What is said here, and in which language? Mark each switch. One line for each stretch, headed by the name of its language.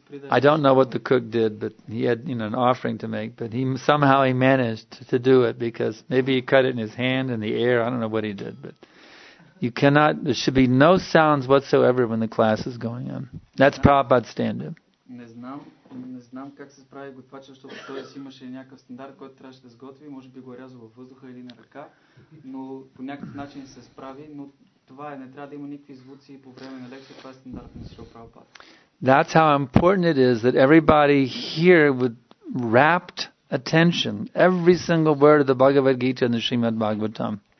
English: I don't know what the cook did, but he had, you know, an offering to make. But he somehow managed to do it, because maybe he cut it in his hand in the air. I don't know what he did, but you cannot. There should be no sounds whatsoever when the class is going on. That's Prabhupada's standard.
Bulgarian: Не знам как се справи готвача, защото той си имаше някакъв стандарт, който трябваше да сготви, може би го рязва във въздуха или на ръка, но по някакъв начин се справи, но това е, не трябва да има никакви звуци по време на лекция, това е стандартно на Шрила Прабхупада.
English: That's how important it is that everybody here with rapt attention, every single word of the Bhagavad Gita and the Srimad Bhagavatam.